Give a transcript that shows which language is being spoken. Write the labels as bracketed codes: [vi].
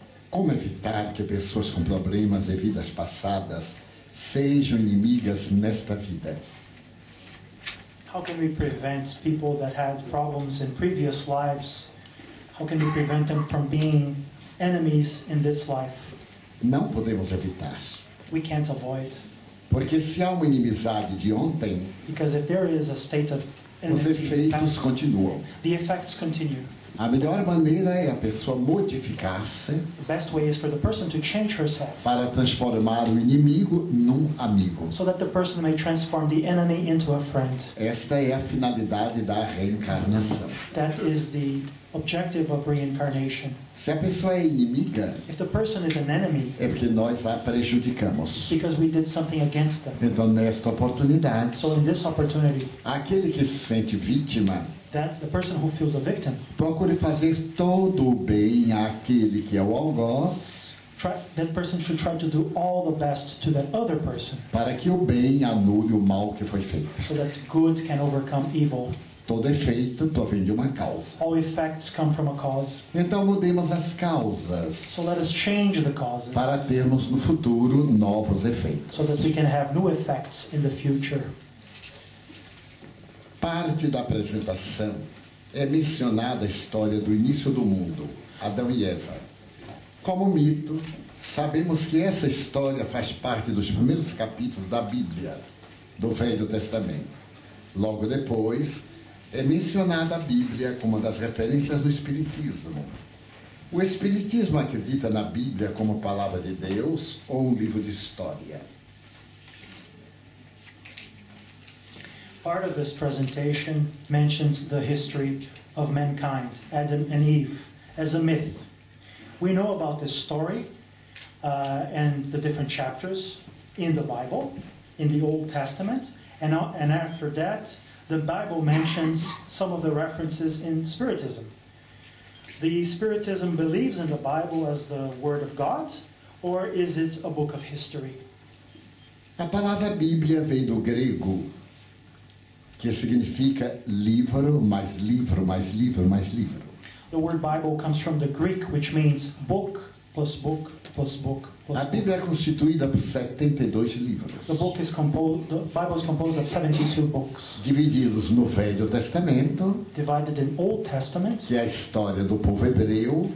[pt] Como evitar que pessoas com problemas e vidas passadas sejam inimigas nesta vida? [en] How can we prevent people that had problems in previous lives? How can we prevent them from being enemies in this life? [pt] Não podemos evitar. [en] We can't avoid. [pt] Porque se há uma inimizade de ontem, [en] because if there is a state of enmity, [pt] os efeitos continuam. [en] The effects continue. [pt] A melhor maneira é a pessoa modificar-se. [en] The best way is for the person to change herself. [pt] Para transformar o inimigo num amigo. [en] So that the person may transform the enemy into a friend. [pt] Esta é a finalidade da reencarnação. [en] That is the objective of reincarnation. [pt] Se a pessoa é inimiga, [en] if the person is an enemy, [pt] é porque nós a prejudicamos. [en] Because we did something against them. [pt] Então, nesta oportunidade, [en] so in this opportunity, [pt] aquele que se sente vítima, [en] that the person who feels a victim, [pt] procure fazer todo o bem àquele que é o algoz. [en] That person should try to do all the best to that other person. [pt] Para que o bem anule o mal que foi feito. [en] So that good can overcome evil. [pt] Todo efeito provém de uma causa. [en] All effects come from a cause. [pt] Então mudemos as causas. [en] So let us change the causes. [pt] Para termos no futuro novos efeitos. [en] So that we can have new effects in the future. [pt] Parte da apresentação é mencionada a história do início do mundo, Adão e Eva. Como mito, sabemos que essa história faz parte dos primeiros capítulos da Bíblia, do Velho Testamento. Logo depois, é mencionada a Bíblia como uma das referências do Espiritismo. O Espiritismo acredita na Bíblia como palavra de Deus ou um livro de história? [en] Part of this presentation mentions the history of mankind, Adam and Eve, as a myth. We know about this story and the different chapters in the Bible, in the Old Testament, and after that, the Bible mentions some of the references in Spiritism. The Spiritism believes in the Bible as the Word of God, or is it a book of history? [pt] A palavra Bíblia vem do grego, que significa livro, mais livro, mais livro, mais livro. [en] The word Bible comes from the Greek, which means book, plus book, plus book, plus book. [pt] A Bíblia é constituída por 72 livros. [en] The book is composed, the Bible is composed of 72 books. [pt] Divididos no Velho Testamento. [en] Divided in Old Testament. [pt] Que é a história do povo hebreu.